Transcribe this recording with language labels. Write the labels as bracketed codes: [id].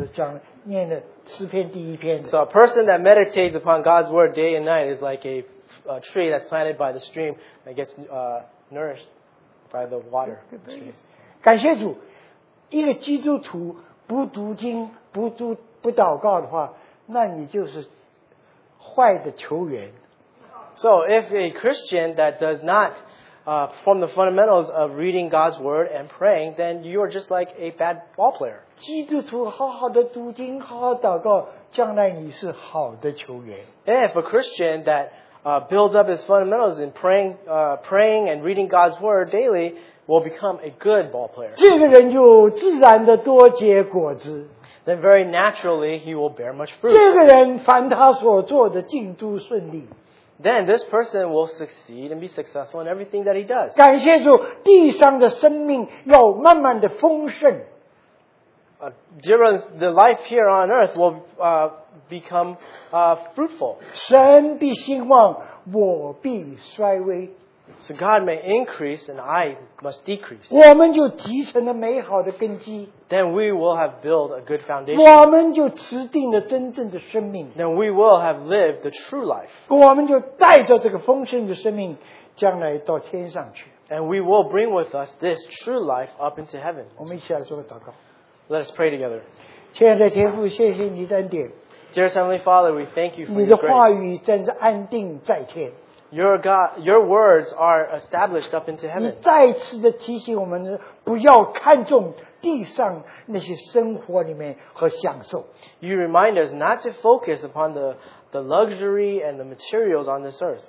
[zh] 那个义人昼夜思想耶和华的律法，他就有福。他像一棵树栽在溪水旁，按时收结果子，叶子也不枯干。凡他所做的，尽都是你。对不起啊，我讲念的诗篇第一篇。 [en] So a person that meditates upon God's word day and night is like a tree that's planted by the stream that gets nourished by the water. [zh] 感谢主。一个基督徒不读经、不祷告的话，那你就是坏的球员。 [en] So if a Christian that does not perform the fundamentals of reading God's word and praying, then you are just like a bad ball player. [zh] 基督徒好好的读经、好好祷告，将来你是好的球员。 [en] If a Christian that builds up his fundamentals in praying and reading God's word daily. Will become a good ball player. [zh] 这个人就自然的多结果子。 [en] Then very naturally he will bear much fruit. [zh] 这个人凡他所做的尽都顺利。 [en] Then this person will succeed and be successful in everything that he does. [zh] 感谢主，地上的生命要慢慢的丰盛。 [en] The life here on earth will become fruitful. [zh] 神必兴旺，我必衰微。 [en] So God may increase and I must decrease. [zh] 我们就提成了美好的根基。 [en] Then we will have built a good foundation. [zh] 我们就持定了真正的生命。 [en] Then we will have lived the true life. [zh] 我们就带着这个丰盛的生命 将来到天上去。 [en] And we will bring with us this true life up into heaven. [zh] 我们一起来做个祷告。 [en] Let us pray together. [zh] 亲爱的天父，谢谢你的恩典。 [en] Dear Heavenly Father, we thank you for your grace. [zh] 你的话语真是安定在天。 [en] Your words are established up into heaven. [zh] 你再次的提醒我们不要看重地上那些生活里面和享受。 [en] You remind us not to focus upon the luxury and the materials on this earth.